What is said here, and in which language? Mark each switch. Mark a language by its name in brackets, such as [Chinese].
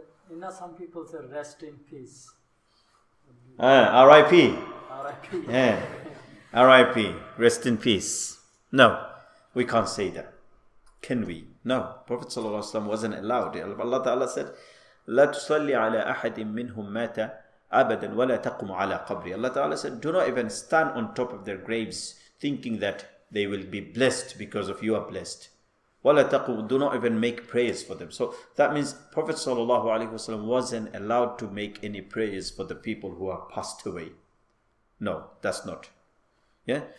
[English] You know, some people say rest in peace. R.I.P. R.I.P. Yeah. R.I.P. Rest in peace. No, we can't say that. Can we? No, Prophet ﷺ wasn't allowed. Allah Ta'ala said, [Arabic] لا تصلي على أحد منهم مات أبدا ولا تقم على قبري. [English] Allah Ta'ala said, do not even stand on top of their graves thinking that they will be blessed because of you are blessed. [Arabic] ولا تقم, [English] do not even make prayers for them. So that means Prophet Sallallahu Alaihi Wasallam wasn't allowed to make any prayers for the people who are passed away. No, that's not. Yeah.